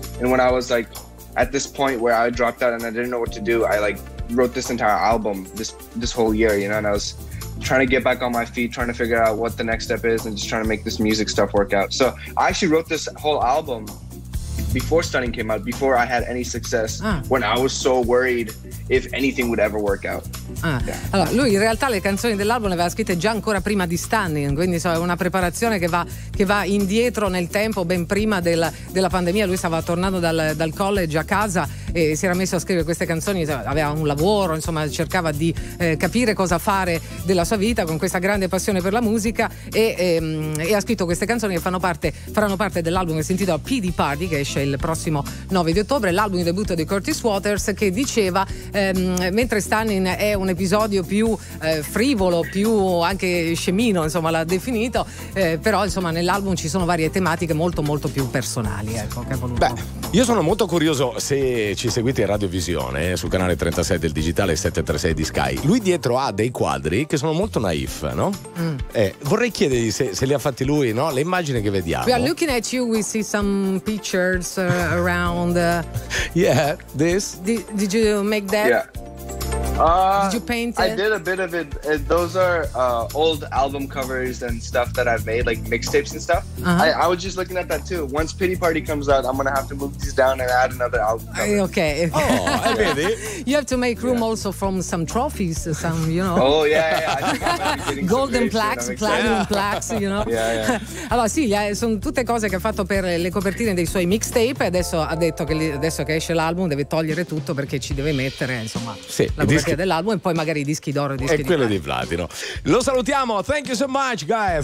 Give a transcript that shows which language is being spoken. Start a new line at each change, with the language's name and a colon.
English: And when I was like at this point where I dropped out and I didn't know what to do, I like wrote this entire album this whole year, you know. And I was trying to get back on my feet, trying to figure out what the next step is, and just trying to make this music stuff work out. So I actually wrote this whole album before Stunning came out, before I had any success, when I was so worried if anything would ever work out. Yeah.
Italian: Allora, lui in realtà le canzoni dell'album le aveva scritte già ancora prima di Stunning, quindi so, è una preparazione che va indietro nel tempo, ben prima della pandemia. Lui stava tornando dal college a casa si era messo a scrivere queste canzoni, aveva un lavoro, insomma, cercava di capire cosa fare della sua vita con questa grande passione per la musica, e ha scritto queste canzoni che faranno parte dell'album che si intitola PD Party, che esce il prossimo 9 di ottobre, l'album di debutto di Curtis Waters, che diceva: mentre Stunning è un episodio più frivolo, più anche scemino, insomma, l'ha definito, però insomma nell'album ci sono varie tematiche molto molto più personali, ecco, che ha voluto. Beh, io sono molto curioso, se ci seguite in radiovisione sul canale 36 del digitale 736 di Sky, lui dietro ha dei quadri che sono molto naif, no? Vorrei chiedergli se li ha fatti lui, no? Le immagini che vediamo.
English: We are looking at you, we see some pictures around. Yeah, this. Did you make that? Yeah. Did you paint it? I did a bit of it. Those are old album covers and stuff that I've made, like mixtapes and stuff. Uh-huh. I was just looking at that too. Once Pity Party comes out, I'm gonna have to move these down and add another album cover. Okay. Oh, yeah. You have to make room also from some trophies, some, you know. Oh yeah, yeah. I think golden plaques, platinum plaques, you know. Yeah.
Italian: Allora sì, sono tutte cose che ha fatto per le copertine dei suoi mixtape. Adesso ha detto che adesso che esce l'album deve togliere tutto perché ci deve mettere, insomma. Sì. Dell'album e poi magari i dischi d'oro e quello di platino. Lo salutiamo.
English: Thank you so much, guys.